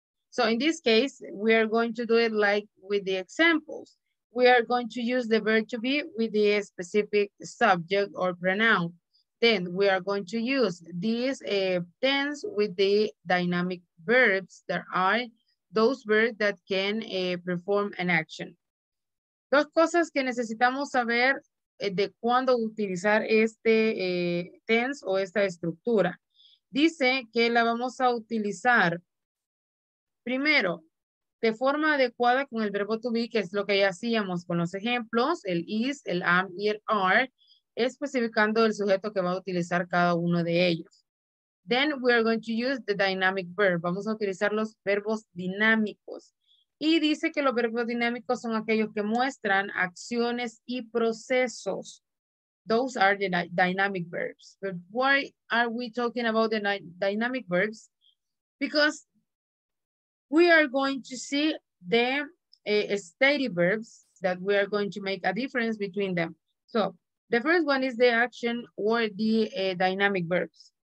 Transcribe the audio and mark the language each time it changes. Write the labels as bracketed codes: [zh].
[en] So in this case, we are going to do it like with the examples. We are going to use the verb to be with the specific subject or pronoun. Then we are going to use this tense with the dynamic verbs. There are those verbs that can perform an action. [es] Dos cosas que necesitamos saber de cuándo utilizar este tense o esta estructura. Dice que la vamos a utilizar primero de forma adecuada con el verbo to be, que es lo que ya hacíamos con los ejemplos, el is, el am y el are, especificando el sujeto que va a utilizar cada uno de ellos. [en] Then we are going to use the dynamic verb. [es] Vamos a utilizar los verbos dinámicos. Y dice que los verbos dinámicos son aquellos que muestran acciones y procesos. [en] Those are the dynamic verbs. But why are we talking about the dynamic verbs? Because we are going to see the steady verbs that we are going to make a difference between them. So, the first one is the action or the dynamic verbs.